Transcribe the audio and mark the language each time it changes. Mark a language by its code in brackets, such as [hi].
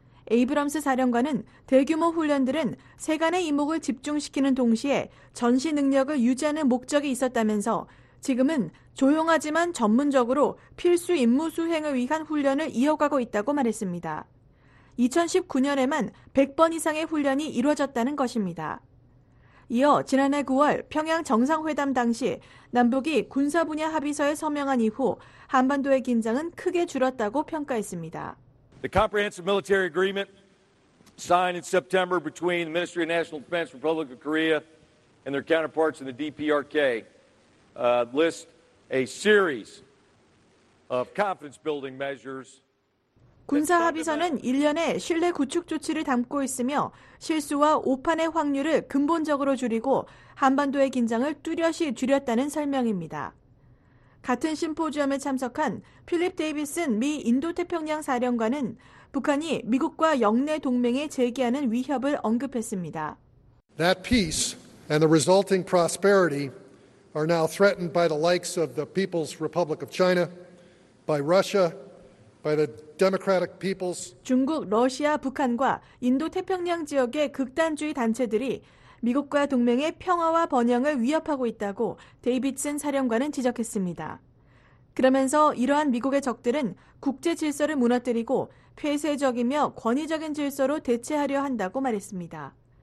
[ko] 에이브럼스 사령관은 대규모 훈련들은 세간의 이목을 집중시키는 동시에 전시 능력을 유지하는 목적이 있었다면서 지금은 조용하지만 전문적으로 필수 임무 수행을 위한 훈련을 이어가고 있다고 말했습니다. 2019년에만 100번 이상의 훈련이 이루어졌다는 것입니다. 이어 지난해 9월 평양 정상회담 당시 남북이 군사 분야 합의서에 서명한 이후 한반도의 긴장은 크게 줄었다고 평가했습니다. [en] The comprehensive military agreement signed in September between the Ministry of National Defense Republic of Korea and their counterparts in the DPRK lists a series of confidence building measures. [ko] 군사 합의서는 1년의 신뢰 구축 조치를 담고 있으며 실수와 오판의 확률을 근본적으로 줄이고 한반도의 긴장을 뚜렷이 줄였다는 설명입니다. 같은 심포지엄에 참석한 필립 데이비슨 미 인도태평양 사령관은 북한이 미국과 영내 동맹에 제기하는 위협을 언급했습니다. [en] That peace and the resulting prosperity are now threatened by the likes of the People's Republic of China, by Russia, by the Democratic Peoples. [ko] 중국, 러시아, 북한과 인도 태평양 지역의 극단주의 단체들이 미국과 동맹의 평화와 번영을 위협하고 있다고 데이비슨 사령관은 지적했습니다. 그러면서 이러한 미국의 적들은 국제 질서를 무너뜨리고 폐쇄적이며 권위적인 질서로 대체하려 한다고 말했습니다.